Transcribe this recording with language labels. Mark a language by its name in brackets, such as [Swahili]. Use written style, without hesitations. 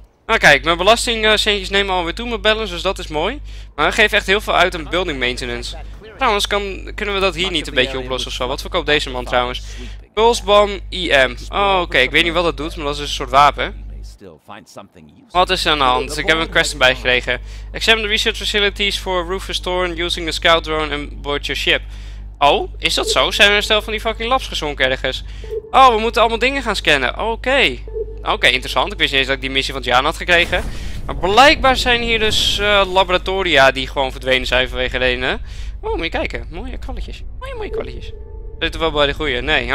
[Dutch] Nou kijk, mijn belastingcentjes nemen alweer toe, mijn balance, dus dat is mooi. Maar dat geeft echt heel veel uit aan building maintenance. Trouwens, kunnen we dat hier niet een beetje oplossen ofzo? Wat verkoopt deze man trouwens? Pulse Bomb EM. Oh, oké, ik weet niet wat dat doet, maar dat is dus een soort wapen. Wat is er aan de hand? Ik heb een quest erbij gekregen. [English] Examine the research facilities for roof restoring using the scout drone and board your ship. [Dutch] Oh, is dat zo? Zijn er een stel van die fucking labs gezonken ergens? Oh, we moeten allemaal dingen gaan scannen. Oké. Oké, interessant. Ik wist niet eens dat ik die missie van Jan had gekregen. Maar blijkbaar zijn hier dus laboratoria die gewoon verdwenen zijn vanwege redenen. Oh, moet je kijken. Mooie kwalletjes. Mooie kwalletjes. Zitten we wel bij de goede? Nee.